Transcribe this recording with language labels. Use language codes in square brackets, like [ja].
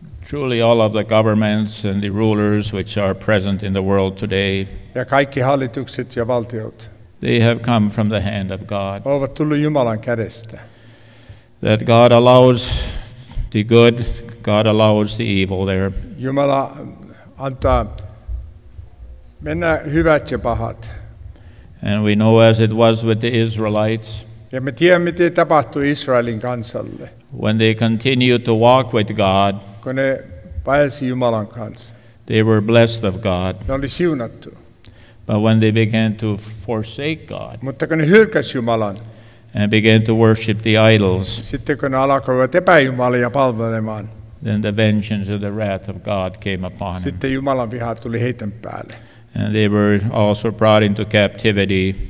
[en] Truly all of the governments and the rulers which are present in the world today. [fi] Ja kaikki hallitukset ja valtiot. [en] They have come from the hand of God. [fi] Ovat tullut Jumalan kädestä. [en] That God allows the good, God allows the evil there. [fi] Jumala antaa mennä hyvät ja pahat. [en] And we know as it was with the Israelites. [fi] Ja me tiedämme, miten tapahtui Israelin kansalle. [en] When they continued to walk with God. [fi] Kun ne vaelsi Jumalan kanssa. [en] They were blessed of God. [fi] Ne oli siunattu. [en] But when they began to forsake God, [fi] mutta kun ne hylkäsi Jumalan, [en] and began to worship the idols, [fi] sitten kun ne alkoivat epäjumalia palvelemaan, [en] Then the vengeance of the wrath of God came upon him. [fi] Sitten Jumalan viha tuli heidän päälle. [en] And they were also brought into captivity.